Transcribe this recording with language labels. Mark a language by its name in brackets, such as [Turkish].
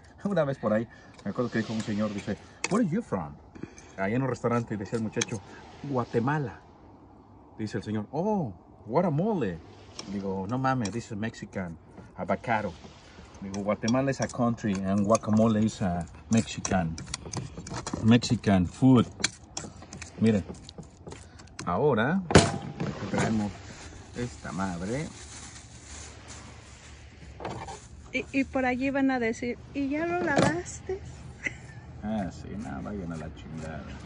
[Spanish] Una vez por ahí, me acuerdo que dijo un señor, dice, [English] where are you from? [Spanish] Ahí en un restaurante, decía el muchacho, Guatemala. Dice el señor, oh, guacamole. Digo, no mames, [English] this is Mexican avocado. [Spanish] Digo, [English] Guatemala is a country and guacamole is a Mexican food. [Spanish] Miren, ahora traemos esta madre. Y por allí van a decir, ¿y ya lo lavaste? Ah, sí, nada, no, vayan a la chingada.